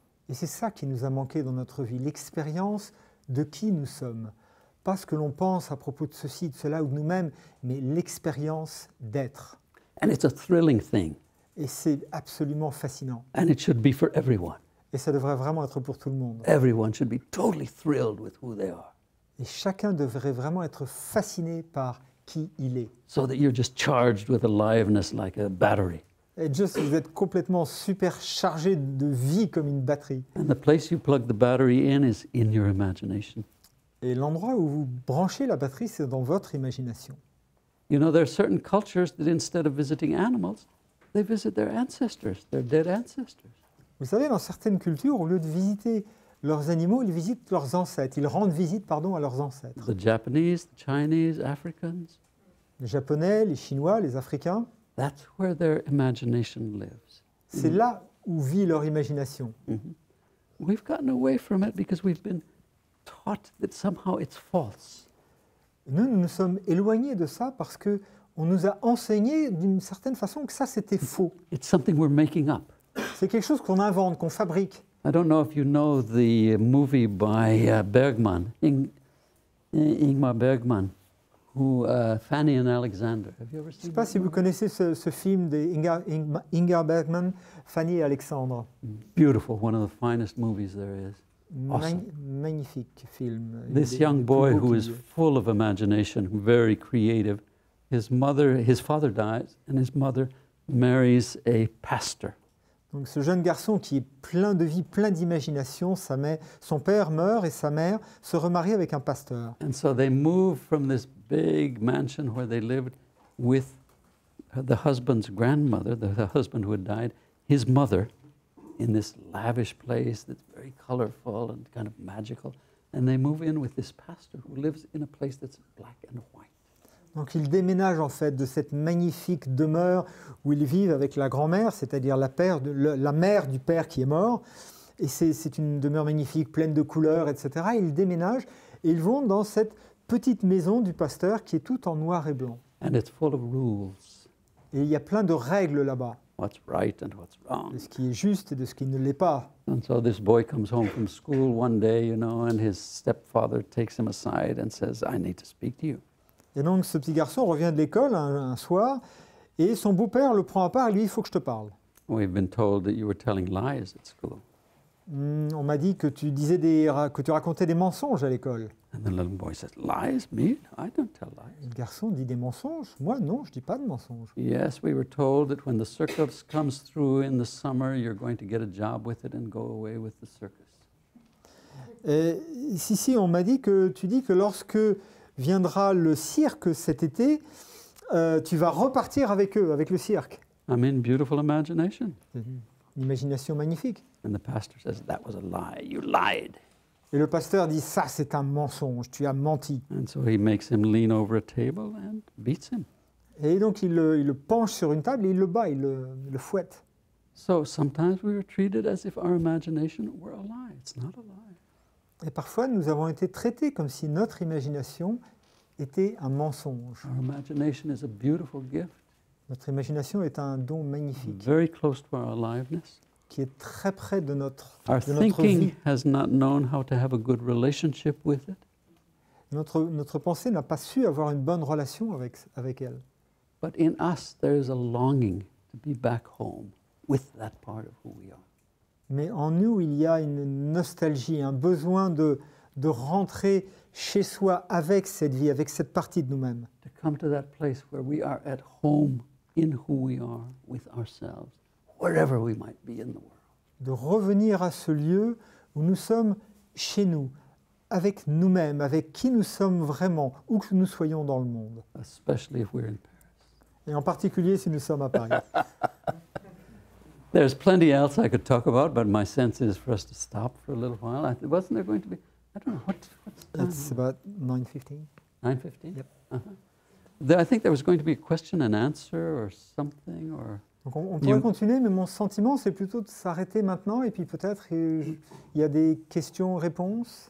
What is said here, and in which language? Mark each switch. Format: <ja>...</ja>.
<fr>Et c'est ça qui nous a manqué dans notre vie, l'expérience de qui nous sommes. Pas ce que l'on pense à propos de ceci, de cela ou de nous-mêmes, mais l'expérience d'être.</fr> <en>And it's a thrilling thing.</en> <fr>Et c'est absolument fascinant.</fr> <en>And it should be for everyone.</en> <fr>Et ça devrait vraiment être pour tout le monde.</fr> <en>Everyone should be totally thrilled with who they are.</en> <fr>Et chacun devrait vraiment être fasciné par qui il est.</fr> <en>So that you're just charged with aliveness like a battery.</en> <fr>Et juste vous êtes complètement superchargé de vie comme une batterie.</fr> <en>And the place you plug the battery in is in your imagination.</en> <fr>Et l'endroit où vous branchez la batterie, c'est dans votre imagination.</fr> <en>You know, there are certain cultures that instead of visiting animals, They visit their ancestors, their dead ancestors.</en> <fr>Vous savez, dans certaines cultures, au lieu de visiter leurs animaux, ils visitent leurs ancêtres. Ils rendent visite, pardon, à leurs ancêtres.</fr> <en>The Japanese, the Chinese, Africans.</en> <fr>Les Japonais, les Chinois, les Africains.</fr> <en>That's where their imagination lives.</en> <fr>C'est là où vit leur imagination. Mm-hmm.</fr> <en>We've gotten away from it because we've been taught that somehow it's false.</en> <fr>Nous, nous nous sommes éloignés de ça parce que on nous a enseigné d'une certaine façon que ça c'était faux.</fr> <en>It's something we're making up.</en> <fr>C'est quelque chose qu'on invente, qu'on fabrique.</fr> <en>I don't know if you know the movie by Bergman, Ingmar Bergman, who Fanny and Alexander. Have you ever seen?</en> <fr>Je ne sais pas si vous connaissez ce film de Ingmar Bergman, Fanny et Alexandre.</fr> <en>Beautiful, one of the finest movies there is.</en> <fr>Magnifique film.</fr> <en>This young boy who is full of imagination, very creative. His father dies, and his mother marries a pastor.</en> <fr>Donc ce jeune garçon qui est plein de vie, plein d'imagination, son père meurt et sa mère se remarie avec un pasteur.</fr> <en>And so they move from this big mansion where they lived with the husband's grandmother, the husband who had died, his mother, in this lavish place that's very colorful and kind of magical, and they move in with this pastor who lives in a place that's black and white.</en> <fr>Donc ils déménagent en fait de cette magnifique demeure où ils vivent avec la grand-mère, c'est-à-dire la mère du père qui est mort. Et c'est une demeure magnifique, pleine de couleurs, etc. Et ils déménagent et ils vont dans cette petite maison du pasteur qui est toute en noir et blanc.</fr> <en>And it's full of rules.</en> <fr>Et il y a plein de règles là-bas.</fr> <en>What's right and what's wrong.</en> <fr>De ce qui est juste et de ce qui ne l'est pas.</fr> <en>And so this boy comes home from school one day, you know, and his stepfather takes him aside and says, I need to speak to you.</en> <fr>Et donc ce petit garçon revient de l'école un soir et son beau-père le prend à part et lui dit, il faut que je te parle.</fr> <en>We've been told that you were telling lies at school.</en> <fr>On m'a dit que tu racontais des mensonges à l'école.</fr> <en>And the little boy says, lies? Me? I don't tell lies.</en> <fr>Le garçon dit des mensonges. Moi, non, je ne dis pas de mensonges.</fr> <en>Yes, we were told that when the circus comes through in the summer, you're going to get a job with it and go away with the circus.</en> <fr>Et, si, on m'a dit que tu dis que lorsque viendra le cirque cet été, tu vas repartir avec eux, avec le cirque.</fr> <en>I mean, beautiful imagination.</en> <fr>Une imagination magnifique.</fr> <en>And the pastor says, that was a lie, you lied.</en> <fr>Et le pasteur dit, ça c'est un mensonge, tu as menti.</fr> <en>And so he makes him lean over a table and beats him.</en> <fr>Et donc il le penche sur une table et il le bat, il le fouette.</fr> <en>So sometimes we are treated as if our imagination were a lie, it's not a lie.</en> <fr>Et parfois, nous avons été traités comme si notre imagination était un mensonge.</fr> <en>Our imagination is a beautiful gift.</en> <fr>Notre imagination est un don magnifique.</fr> <en>Very close to our aliveness.</en> <fr>Qui est très près de notre</fr> <en>our</en> <fr>de</fr> <en>thinking</en> <fr>notre vie.</fr> <en>Has not known how to have a good relationship with it.</en> <fr>Notre pensée n'a pas su avoir une bonne relation avec elle.</fr> <en>But in us, there is a longing to be back home with that part of who we are.</en> <fr>Mais en nous, il y a une nostalgie, un besoin de rentrer chez soi avec cette vie, avec cette partie de nous-mêmes.</fr> <en>To come to that place where we are at home in who we are with ourselves, wherever we might be in the world.</en> <fr>De revenir à ce lieu où nous sommes chez nous, avec nous-mêmes, avec qui nous sommes vraiment, où que nous soyons dans le monde.</fr> <en>Especially if we're in Paris.</en> <fr>Et en particulier si nous sommes à Paris.</fr> <en>There's plenty else I could talk about, but my sense is for us to stop for a little while. Wasn't there going to be, I don't know, what's the time? It's about 9:15. 9:15? Yep. Uh-huh. I think there was going to be a question and answer or something. Or</en> <fr>donc on pourrait continuer, mais mon sentiment, c'est plutôt de s'arrêter maintenant, et puis peut-être il y a des questions-réponses.</fr>